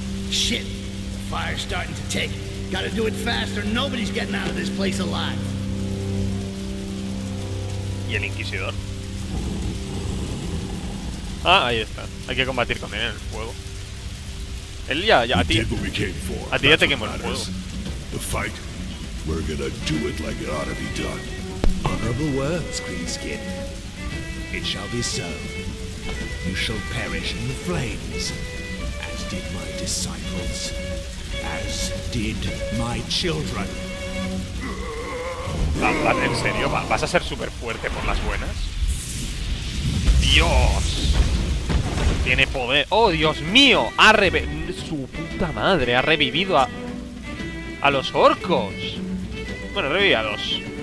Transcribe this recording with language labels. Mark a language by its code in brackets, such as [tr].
[en] Shit, fire starting to take. Gotta do it fast or nobody's getting out of this place alive. [es] ¿Y el Inquisidor? Ah, ahí está. Hay que combatir con él en el fuego. Él ya a ti ya te quemó el fuego. [en] The fight. We're gonna do it like it ought to be done. Honorable words, Greenskin. It shall be so. You shall perish in the flames, as did my disciples, as did my children. [es] ¿En serio? ¿Vas a ser súper fuerte por las buenas? Dios. Tiene poder. ¡Oh, Dios mío! ¡Ha revivido! ¡Su puta madre! ¡Ha revivido a los orcos! Bueno, revivía a dos.